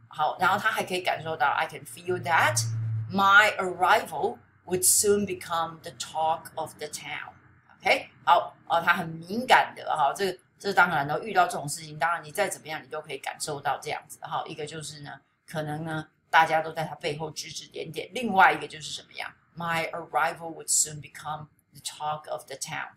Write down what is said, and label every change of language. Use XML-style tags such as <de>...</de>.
<zh>好，然后他还可以感受到</zh> <en>I can feel that my arrival would soon become the talk of the town.</en> <zh>OK， 好哦，他很敏感的哈，这当然都遇到这种事情，当然你再怎么样你都可以感受到这样子哈。一个就是呢，可能呢。大家都在他背后指指点点。另外一个就是什么样</zh> <en>？My arrival would soon become the talk of the town.</en>